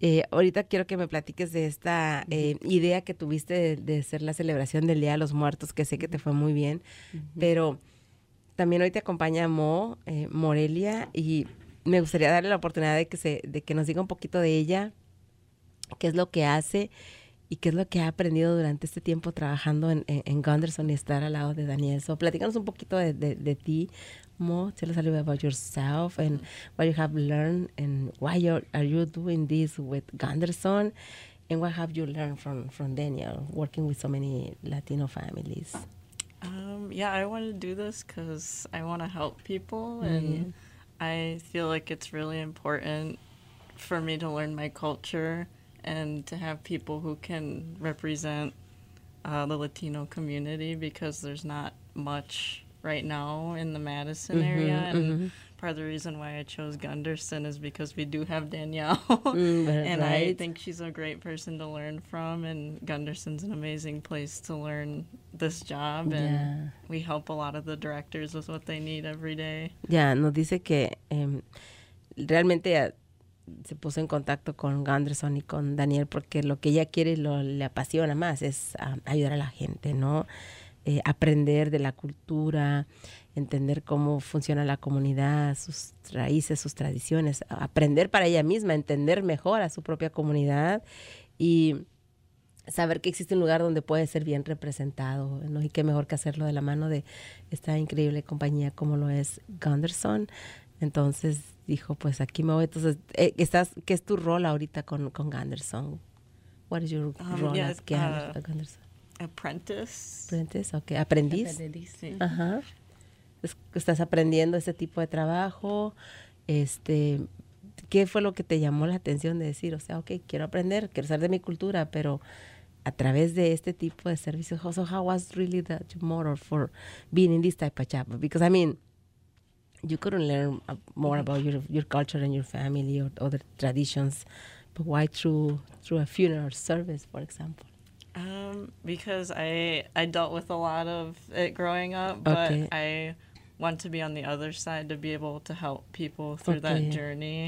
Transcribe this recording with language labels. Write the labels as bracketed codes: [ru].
[es] Ahorita quiero que me platiques de esta idea que tuviste de hacer la celebración del Día de los Muertos, que sé que te fue muy bien, pero también hoy te acompaña Morelia, y me gustaría darle la oportunidad de que nos diga un poquito de ella, qué es lo que hace y qué es lo que ha aprendido durante este tiempo trabajando en Gunderson y estar al lado de Daniel. So, platícanos un poquito de ti, Mo. [en] Tell us a little bit about yourself and what you have learned and why are you doing this with Gunderson and what have you learned from Daniel working with so many Latino families. Yeah, I want to do this because I want to help people, and I feel like it's really important for me to learn my culture and to have people who can represent the Latino community, because there's not much right now in the Madison area, and part of the reason why I chose Gunderson is because we do have Danielle, and I think she's a great person to learn from, and Gunderson's an amazing place to learn this job, and we help a lot of the directors with what they need every day. [es] Yeah, nos dice que realmente se puso en contacto con Gunderson y con Daniel porque lo que ella quiere y le apasiona más es ayudar a la gente, ¿no? Aprender de la cultura, entender cómo funciona la comunidad, sus raíces, sus tradiciones, aprender para ella misma, entender mejor a su propia comunidad y saber que existe un lugar donde puede ser bien representado, ¿no? Y qué mejor que hacerlo de la mano de esta increíble compañía como lo es Gunderson. Entonces dijo, pues aquí me voy. Entonces, ¿qué es tu rol ahorita con Gunderson? [en] What is your role as Gunderson? Apprentice, [es] okay. Aprendiz. Sí. Ajá. Estás aprendiendo ese tipo de trabajo. ¿Qué fue lo que te llamó la atención de decir, o sea, okay, quiero aprender, quiero saber de mi cultura, pero a través de este tipo de servicios? [en] So how was really that motor for being in this type of job? Because I mean, you couldn't learn more about your culture and your family or other traditions, but why through a funeral service, for example? Because I dealt with a lot of it growing up, but I want to be on the other side to be able to help people through that journey.